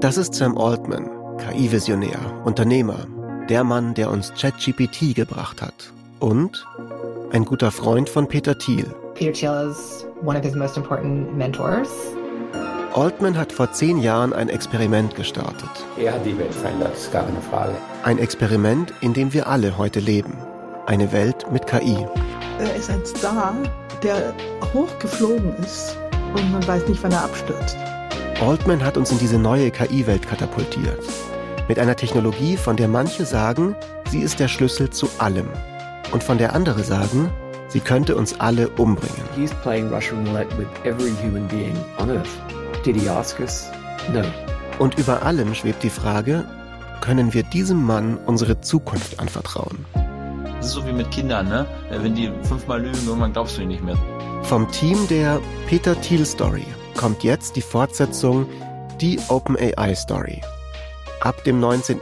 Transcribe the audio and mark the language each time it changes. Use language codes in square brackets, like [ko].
[de] Das ist Sam Altman, KI-Visionär, Unternehmer, der Mann, der uns ChatGPT gebracht hat und ein guter Freund von Peter Thiel. [en] Peter Thiel is one of his most important mentors. [de] Altman hat vor 10 Jahren ein Experiment gestartet. Er hat die Welt verändert, das ist gar keine Frage. Ein Experiment, in dem wir alle heute leben. Eine Welt mit KI. Er ist ein Star, der hochgeflogen ist. Und man weiß nicht, wann er abstürzt. Altman hat uns in diese neue KI-Welt katapultiert. Mit einer Technologie, von der manche sagen, sie ist der Schlüssel zu allem. Und von der andere sagen, sie könnte uns alle umbringen. [en] He's playing Russian roulette with every human being on Earth. Did he ask us? No. [de] Und über allem schwebt die Frage, können wir diesem Mann unsere Zukunft anvertrauen? Das ist so wie mit Kindern, ne? Wenn die 5-mal lügen, irgendwann glaubst du ihnen nicht mehr. Vom Team der Peter Thiel Story kommt jetzt die Fortsetzung Die OpenAI Story. Ab dem 19.